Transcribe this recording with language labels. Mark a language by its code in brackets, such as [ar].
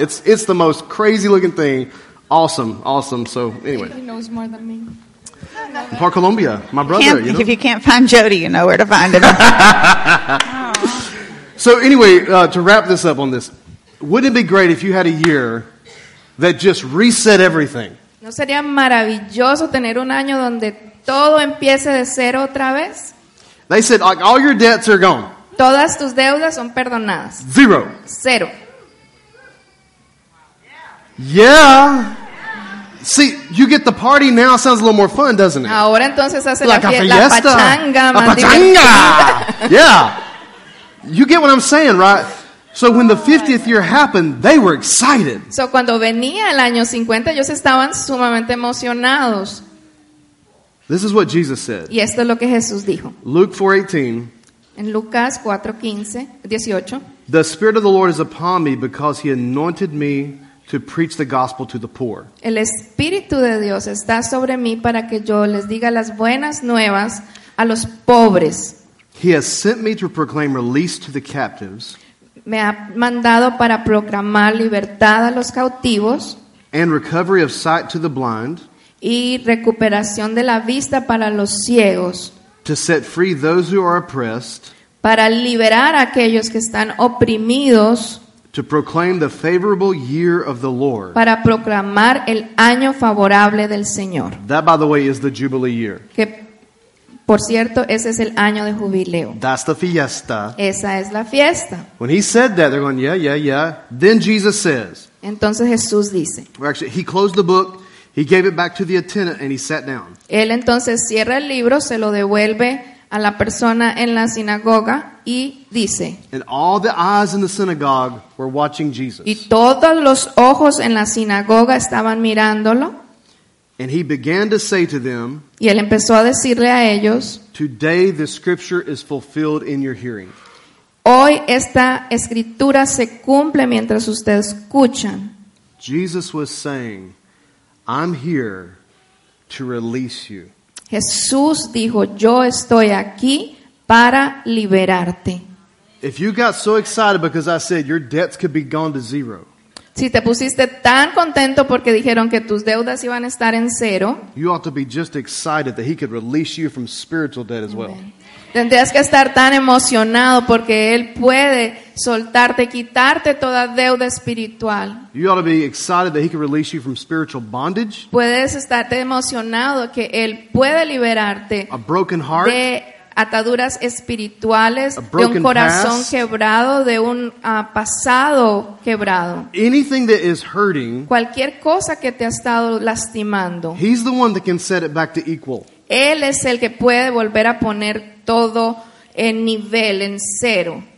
[en] It's the most crazy looking thing. Awesome, awesome. So, anyway. He knows more than me. In Park Colombia, my brother. You know? If you can't find Jody, you know where to find him. So anyway, to wrap this up on this, wouldn't it be great if you had a year that just reset everything? [es] ¿No sería maravilloso tener un año donde todo empiece de cero otra vez? [en] They said, like, all your debts are gone. [es] Todas tus deudas son perdonadas. [en] Zero. [es] Cero. [en] Yeah. See, you get the party now, sounds a little more fun, doesn't it? [es] Ahora entonces hace [en] like [es] la fiesta, la pachanga. [en] Yeah. You get what I'm saying, right? So when the 50th year happened, they were excited. [es] So cuando venía el año 50, ellos estaban sumamente emocionados. [en] This is what Jesus said. [es] Y esto es lo que Jesús dijo. [en] Luke 4:18. [es] En Lucas 4:18. [en] The Spirit of the Lord is upon me because he anointed me to preach the gospel to the poor. [es] El Espíritu de Dios está sobre mí para que yo les diga las buenas nuevas a los pobres. [en] He has sent me to proclaim release to the captives. [es] Me ha mandado para proclamar libertad a los cautivos. [en] And recovery of sight to the blind. [es] Y recuperación de la vista para los ciegos. [en] To set free those who are oppressed. [es] Para liberar a aquellos que están oprimidos. [en] To proclaim the favorable year of the Lord. [es] Para proclamar el año favorable del Señor. [en] That, by the way, is the Jubilee year. [es] Que por cierto, ese es el año de jubileo. [en] That's the fiesta. [es] Esa es la fiesta. [en] When he said that, they're going, yeah, yeah, yeah. Then Jesus says. [es] Entonces Jesús dice. [en] Actually, he closed the book. He gave it back to the attendant and he sat down. [es] Él entonces cierra el libro, se lo devuelve a la persona en la sinagoga y dice. [en] And all the eyes in the synagogue were watching Jesus. [es] Y todos los ojos en la sinagoga estaban mirándolo. [en] And he began to say to them, [es] y él empezó a decirle a ellos, [en] today the scripture is fulfilled in your hearing. [es] Hoy esta escritura se cumple mientras ustedes escuchan. [en] Jesus was saying, I'm here to release you. [es] Jesús dijo, yo estoy aquí para liberarte. [en] If you got so excited because I said your debts could be gone to zero. [es] Si te pusiste tan contento porque dijeron que tus deudas iban a estar en cero, [en] you ought to be just excited that he could release you from spiritual debt as well. [es] Tendrías que estar tan emocionado porque él puede soltarte, quitarte toda deuda espiritual. [en] You ought to be excited that he could release you from spiritual bondage. [es] Puedes estarte emocionado que él puede liberarte. [en] A broken heart. [es] De ataduras espirituales, de un corazón [en] past, [es] quebrado, de un pasado quebrado. [en] Anything that is hurting, [es] cualquier cosa que te ha estado lastimando. [en] He's the one that can set it back to equal. [es] Él es el que puede volver a poner todo en nivel, en cero.